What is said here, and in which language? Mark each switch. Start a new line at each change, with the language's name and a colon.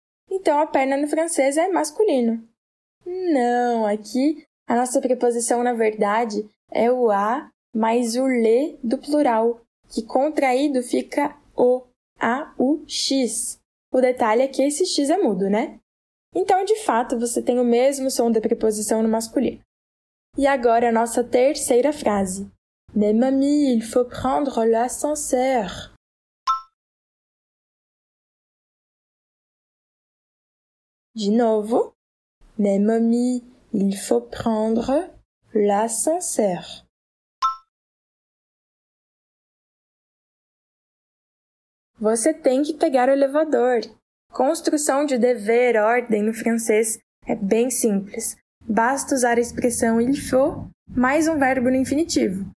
Portuguese: Então, a perna no francês é masculino. Não, aqui a nossa preposição, na verdade, é o a mais o le do plural, que contraído fica o, a-u-x. O detalhe é que esse x é mudo, né? Então, de fato, você tem o mesmo som da preposição no masculino. E agora a nossa terceira frase.
French: Mais mamie, il faut prendre l'ascenseur.
Portuguese: De novo.
French: Mais mamie, il faut prendre l'ascenseur.
Portuguese: Você tem que pegar o elevador. Construção de dever, ordem, no francês, é bem simples. Basta usar a expressão il faut mais um verbo no infinitivo.